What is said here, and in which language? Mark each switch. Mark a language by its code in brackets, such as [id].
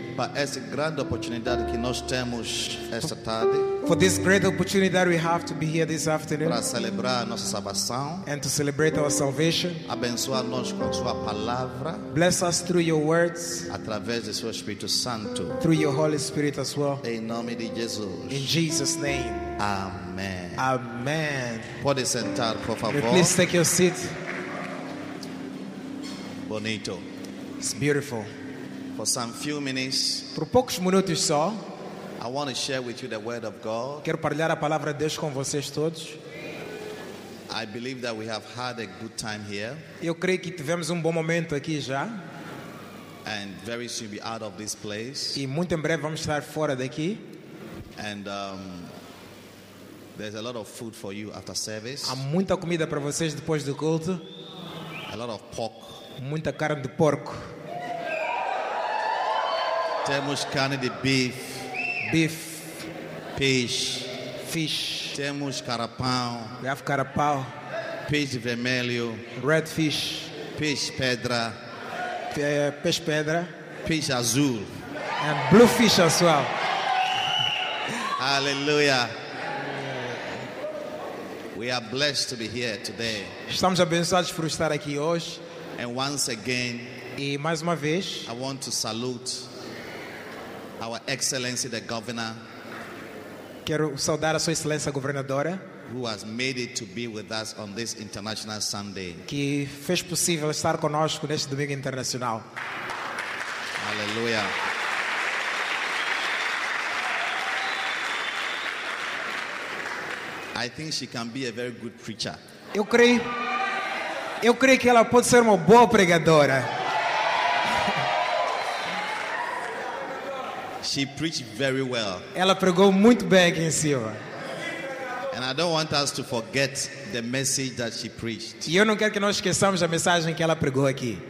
[pt] para essa grande oportunidade que nós temos esta tarde, [en] for this great opportunity that we have to be here this afternoon, [pt] para celebrar nossa salvação, [en] and to celebrate our salvation. [pt] Abençoa-nos com sua palavra, [en] bless us through your words, [pt] através do seu Espírito Santo, [en] through your Holy Spirit as well, [pt] em nome de Jesus, [en] in Jesus' name. Amen. Amen. [pt] Pode sentar, por favor. [en] You please take your seat. [pt] Bonito. [en] It's beautiful. For some few minutes, [pt] por poucos minutos só, [en] I want to share with you the word of God. [pt] Quero partilhar a palavra de Deus com vocês todos. [en] I believe that we have had a good time here. [pt] Eu creio que tivemos bom momento aqui já. [en] And very soon be out of this place. [pt] E muito em breve vamos estar fora daqui. [en] And there's a lot of food for you after service. [pt] Há muita comida para vocês depois do culto. [en] A lot of pork. [pt] Muita carne de porco. Temos carne de beef. [en] Beef. [pt] Peixe. [en] Fish. [pt] Temos carapau. [en] We have carapau. [pt] Peixe vermelho. [en] Red fish. [pt] Peixe pedra. Peixe pedra. Peixe azul. [en] And blue fish as well. Hallelujah. We are blessed to be here today. [pt] Estamos abençoados por estar aqui hoje. [en] And once again, [pt] e mais uma vez, [en] I want to salute our excellency the governor. [pt] Quero saudar a sua excelência governadora, [en] who has made it to be with us on this International Sunday. [pt] Que fez possível estar conosco neste domingo internacional. [en] Hallelujah. I think she can be a very good preacher. [pt] Eu creio que ela pode ser uma boa pregadora. [en] She preached very well. [pt] Ela pregou muito bem aqui em Silva. [en] And I don't want us to forget the message that she preached. [pt] E eu não quero que nós esqueçamos a mensagem que ela pregou aqui.